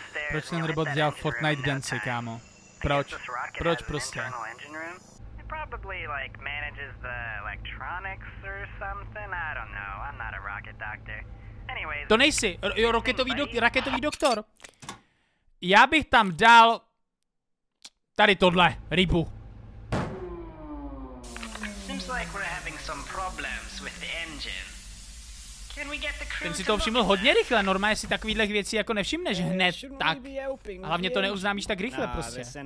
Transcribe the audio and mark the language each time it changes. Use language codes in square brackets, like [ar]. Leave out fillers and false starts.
[cs] Proč ten robot dělal Fortnite dance, kámo? Proč? Proč prostě? [en] Probably like manages the electronics or something. I don't know. I'm not a rocket doctor. Anyway. [cs] To nejsi. Jo, raketový doktor. Já bych tam dal tady tohle rybu. [en] Seems like we're having some problems with the engine. Can we get the crew? [cs] Ten si to všiml hodně rychle. Normálně si takovýhle věci jako nevšimneš hned tak. A hlavně to neuznámíš tak rychle prostě.